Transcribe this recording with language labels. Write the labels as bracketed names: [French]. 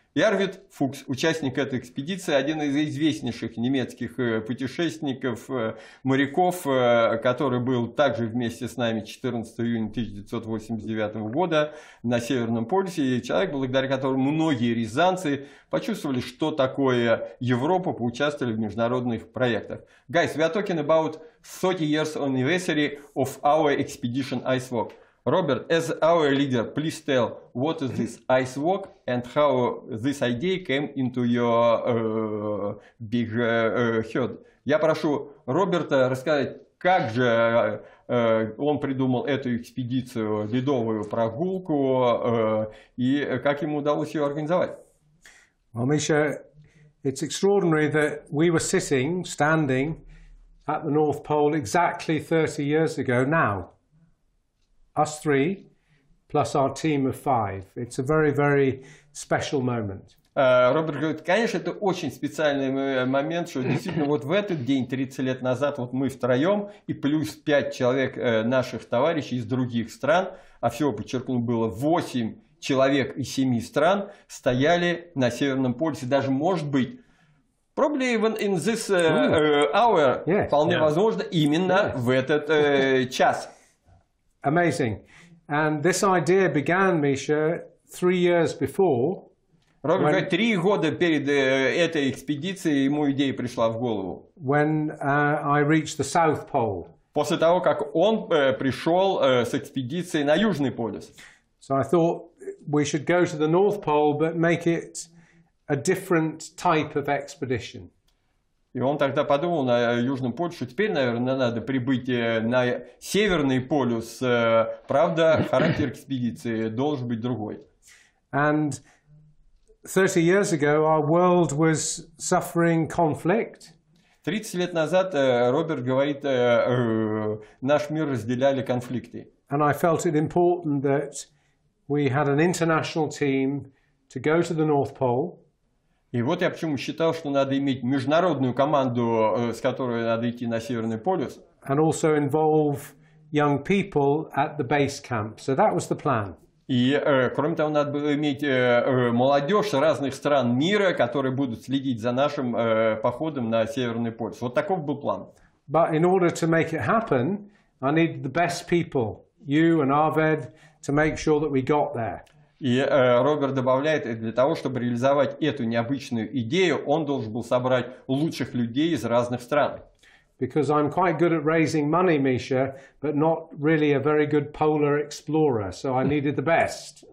[Russian] И Арвид Фукс, участник этой экспедиции, один из известнейших немецких путешественников, моряков, который был также вместе с нами 14 июня 1989 года на Северном полюсе. И человек, благодаря которому многие рязанцы почувствовали, что такое Европа, поучаствовали в международных проектах. [English] Guys, we are talking about 30 years anniversary of our expedition Icewalk. Robert, as our leader, please tell what is this ice walk and how this idea came into your big head. [Russian] Я прошу Роберта рассказать, как же он придумал эту экспедицию, ледовую прогулку, и как ему удалось ее организовать. [English] Well, Misha, it's extraordinary that we were standing at the North Pole exactly 30 years ago now. Us three, plus our team of five. It's a very, very special moment. [Russian] Роберт говорит, конечно, это очень специальный момент, что действительно вот в этот день, 30 лет назад, вот мы втроем и плюс 5 человек наших товарищей из других стран, а всего, подчеркну, было 8 человек из 7 стран, стояли на Северном полюсе. Даже, может быть, [English] probably even in this hour, [Russian] вполне возможно, именно в этот час. [English] Amazing. And this idea began, Misha, 3 years before. [Russian] Роберт, [English] when, [Russian] 3 года перед этой экспедицией ему идея пришла в голову. [English] When I reached the South Pole. [Russian] После того, как он пришел с экспедицией на Южный полюс. [English] So I thought we should go to the North Pole, but make it a different type of expedition. [Russian] И он тогда подумал на Южном полюсе, теперь, наверное, надо прибыть на Северный полюс. Правда, характер экспедиции должен быть другой. [English] And 30 years ago our world was suffering conflict. [Russian] 30 лет назад, Роберт говорит, наш мир разделяли конфликты. [English] And I felt it important that we had an international team to go to the North Pole. [Russian] И вот я почему считал, что надо иметь международную команду, с которой надо идти на Северный полюс. [English] And also involve young people at the base camp. So that was the plan. [Russian] И кроме того, надо было иметь молодежь разных стран мира, которые будут следить за нашим походом на Северный полюс. Вот таков был план. [English] But in order to make it happen, I need the best people, you and Arved, to make sure that we got there. [Russian] И Роберт добавляет, для того, чтобы реализовать эту необычную идею, он должен был собрать лучших людей из разных стран. [English] Because I'm quite good at raising money, Misha, but not really a very good polar explorer, so I needed the best.